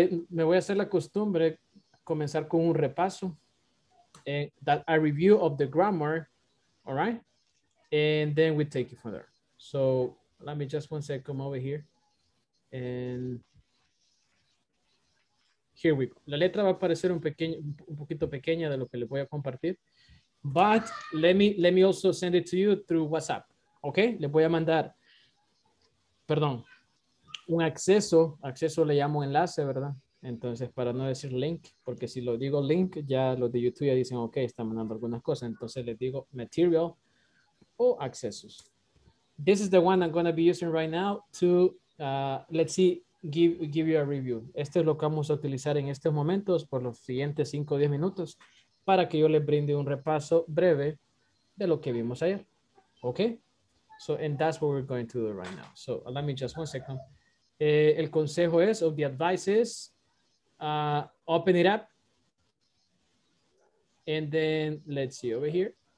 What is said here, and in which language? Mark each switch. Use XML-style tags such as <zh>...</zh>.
<es>Me voy a hacer la costumbre comenzar con un repaso,</es> <en>a review of the grammar, all right? And then we take it from there. So let me just one sec come over here. And here we go.</en> <es>La letra va a parecer un poquito pequeña de lo que les voy a compartir.</es> <en>But let me also send it to you through WhatsApp, okay?</en> <es>Les voy a mandar, un acceso le llamo enlace, ¿verdad? Entonces, para no decir link, porque si lo digo link, ya los de YouTube ya dicen, ok, está mandando algunas cosas. Entonces, les digo material o accesos.</es> <en>This is the one I'm going to be using right now to, let's see, give you a review.</en> <es>Este es lo que vamos a utilizar en estos momentos por los siguientes 5 o 10 minutos para que yo les brinde un repaso breve de lo que vimos ayer.</es> <en>Ok. So, and that's what we're going to do right now. So, let me just one second.</en> <es>El consejo es,</es> <en>of the advice is, open it up and then let's see over here.</en>